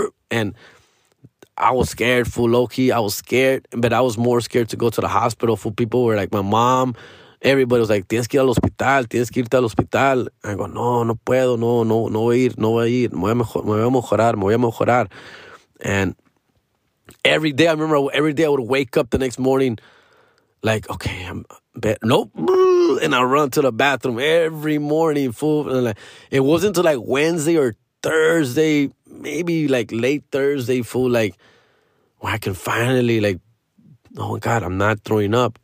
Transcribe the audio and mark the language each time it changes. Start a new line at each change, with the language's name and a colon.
English: And I was scared, fool, low-key. I was scared, but I was more scared to go to the hospital, fool. People were like, my mom
Spanish: Everybody was like, tienes que ir al hospital, tienes que irte al hospital.
English: I go,
Spanish: no, no puedo, no, no, no voy a ir, no voy a ir, me voy a mejorar.
English: And every day, I remember every day I would wake up the next morning, like, okay, I'm better. Nope. And I run to the bathroom every morning, fool. And like, it wasn't until like Wednesday or Thursday, maybe like late Thursday, fool, like, where I can finally, like, oh my God, I'm not throwing up.